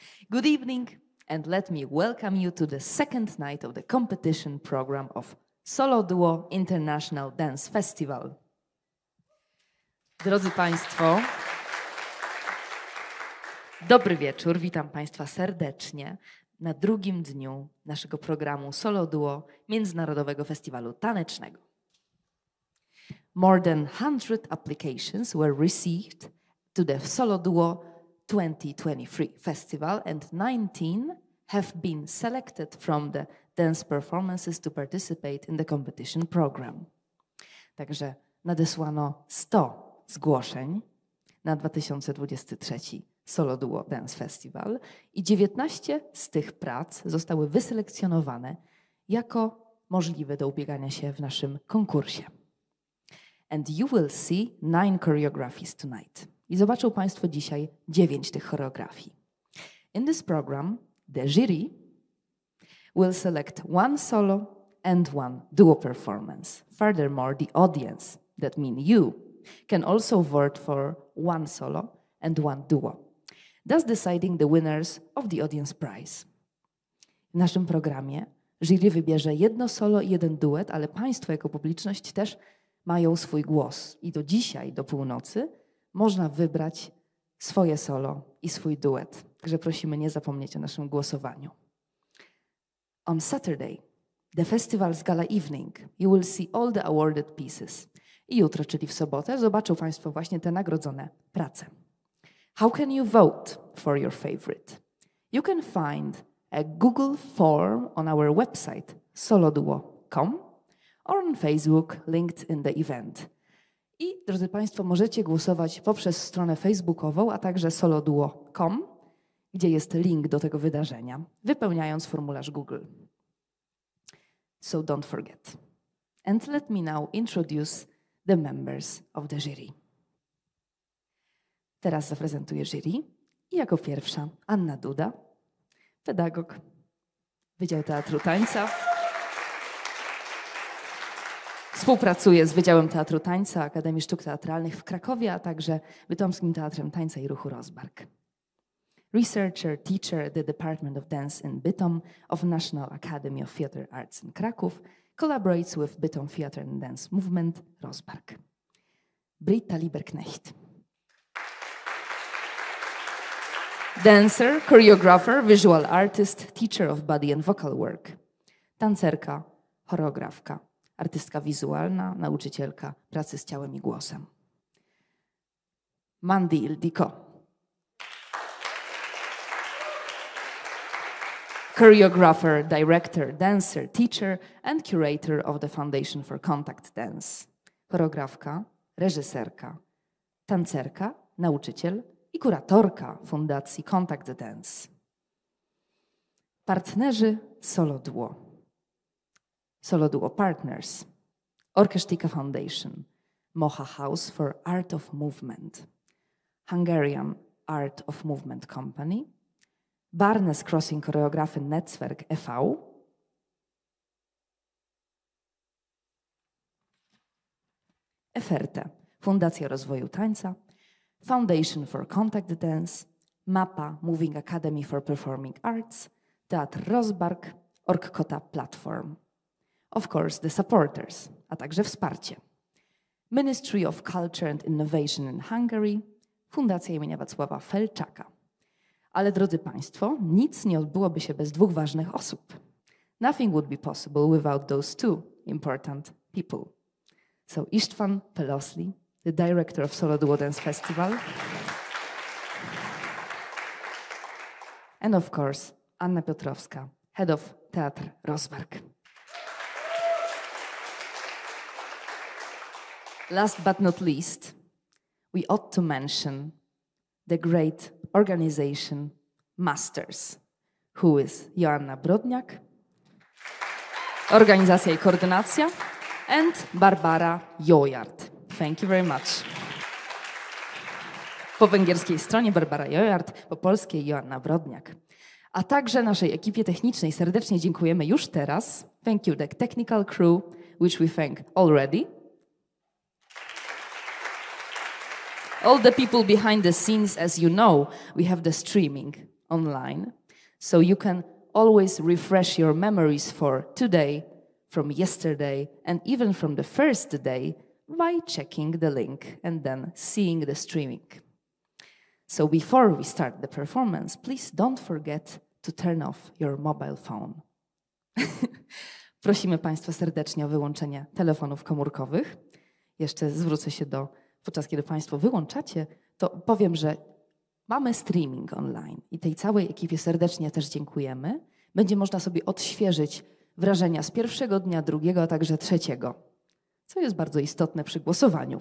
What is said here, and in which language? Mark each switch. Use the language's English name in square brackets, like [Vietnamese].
[English] Good evening, and let me welcome you to the second night of the competition program of Solo Duo International Dance Festival. [Polish] Drodzy Państwo, dobry wieczór, witam Państwa serdecznie na drugim dniu naszego programu Solo Duo Międzynarodowego Festiwalu Tanecznego. [English] More than 100 applications were received to the Solo Duo 2023 Festival and 19 have been selected from the dance performances to participate in the competition program. [Polish] Także nadesłano 100 zgłoszeń na 2023 Solo Duo Dance Festival i 19 z tych prac zostały wyselekcjonowane jako możliwe do ubiegania się w naszym konkursie. [English] And you will see 9 choreographies tonight. [Polish] I zobaczą Państwo dzisiaj 9 tych choreografii. [English] In this program, the jury will select one solo and one duo performance. Furthermore, the audience, that means you, can also vote for one solo and one duo, thus deciding the winners of the audience prize. [Polish] W naszym programie jury wybierze jedno solo i jeden duet, ale Państwo jako publiczność też mają swój głos. I do dzisiaj, do północy, można wybrać swoje solo i swój duet. Także prosimy nie zapomnieć o naszym głosowaniu. [English] On Saturday, the festival's gala evening, you will see all the awarded pieces. [Polish] I jutro, czyli w sobotę, zobaczą Państwo właśnie te nagrodzone prace. [English] How can you vote for your favorite? You can find a Google form on our website soloduo.com or on Facebook linked in the event. [Polish] I, drodzy Państwo, możecie głosować poprzez stronę facebookową, a także soloduo.com, gdzie jest link do tego wydarzenia, wypełniając formularz Google. [English] So don't forget. And let me now introduce the members of the jury. [Polish] Teraz zaprezentuję jury. I jako pierwsza Anna Duda, pedagog Wydział Teatru Tańca. Współpracuje z Wydziałem Teatru Tańca Akademii Sztuk Teatralnych w Krakowie, a także Bytomskim Teatrem Tańca i Ruchu Rozbark. [English] Researcher, teacher at the Department of Dance in Bytom of National Academy of Theatre Arts in Kraków, collaborates with Bytom Theatre and Dance Movement Rozbark. Britta Lieberknecht. Dancer, choreographer, visual artist, teacher of body and vocal work. [Polish] Tancerka, choreografka. Artystka wizualna, nauczycielka pracy z ciałem i głosem. [English] Mandy Ildiko. Choreographer, director, dancer, teacher and curator of the Foundation for Contact Dance. [Polish] Choreografka, reżyserka, tancerka, nauczyciel i kuratorka Fundacji Contact Dance. Partnerzy Solo Duo. [English] Solo Duo Partners, Orchestika Foundation, Moha House for Art of Movement, Hungarian Art of Movement Company, Barnes Crossing Choreografy Netzwerk e.V. Eferte, Fundacja Rozwoju Tańca, Foundation for Contact Dance, MAPA, Moving Academy for Performing Arts, Teatr Rozbark, OrgKota Platform. Of course, the supporters, [Polish] a także wsparcie. [English] Ministry of Culture and Innovation in Hungary, Fundacja imienia Wacława Felczaka. [Polish] Ale drodzy Państwo, nic nie odbyłoby się bez dwóch ważnych osób. [English] Nothing would be possible without those two important people. So István Pelosli, the director of Solo Duo Dance Festival. And of course, Anna Piotrowska, head of Teatr Rozbark. Last but not least, we ought to mention the great organization Masters, who is Joanna Brodniak, [Polish] Organizacja i Koordynacja, [English] and Barbara Jojard. Thank you very much. [Polish] Po węgierskiej stronie Barbara Jojard, po polskiej Joanna Brodniak. A także naszej ekipie technicznej serdecznie dziękujemy już teraz. [English] Thank you the technical crew, which we thank already. all the people behind the scenes, as you know, we have the streaming online. So you can always refresh your memories for today, from yesterday, and even from the first day by checking the link and then seeing the streaming. So before we start the performance, please don't forget to turn off your mobile phone. [Polish] Prosimy Państwa serdecznie o wyłączenie telefonów komórkowych. Jeszcze zwrócę się do, podczas kiedy Państwo wyłączacie, to powiem, że mamy streaming online i tej całej ekipie serdecznie też dziękujemy. Będzie można sobie odświeżyć wrażenia z pierwszego dnia, drugiego, a także trzeciego, co jest bardzo istotne przy głosowaniu.